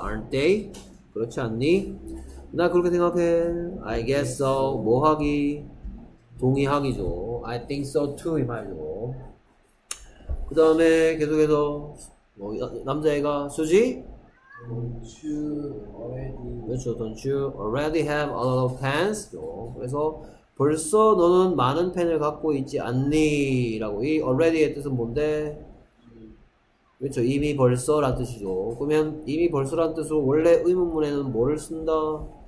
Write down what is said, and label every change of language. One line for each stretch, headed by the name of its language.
English: aren't they?
Korean: 그렇지 않니? 나 그렇게 생각해.
English: I guess so.
Korean: 뭐 하기? 동의하기죠.
English: I think so too
Korean: 이 말이죠. 그 다음에 계속해서 뭐 남자애가 수지?
English: Don't you already
Korean: 그렇죠.
English: Don't you already have a lot of pens?
Korean: 그래서 벌써 너는 많은 펜을 갖고 있지 않니? 라고 이 already의 뜻은 뭔데? 그렇죠. 이미 벌써라는 뜻이죠. 그러면 이미 벌써라는 뜻으로 원래 의문문에는 뭐를 쓴다?